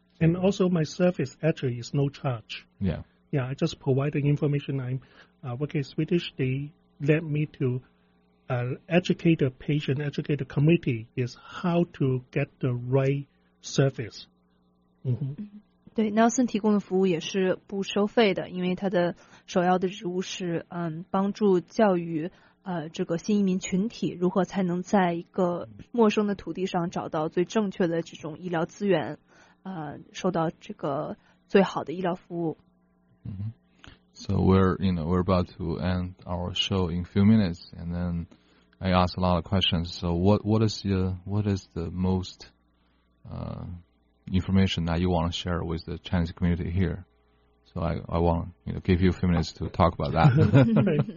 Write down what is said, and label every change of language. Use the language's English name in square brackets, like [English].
[English] And also my service actually is no charge. Yeah. Yeah, I just provide the information. I'm working Swedish. They let me to educate the patient, educate the community is how to get the right service. Mm-hmm. [Chinese] 对 ,Nelson 提供的服务也是不收费的，因为他的首要的职务是帮助教育这个新移民群体如何才能在一个陌生的土地上找到最正确的这种医疗资源。受到这个最好的医疗服务。 Mm-hmm. [English] So we're about to end our show in a few minutes, and then I ask a lot of questions. So what is the most information that you want to share with the Chinese community here. So I want to, you know, give you a few minutes to talk about that.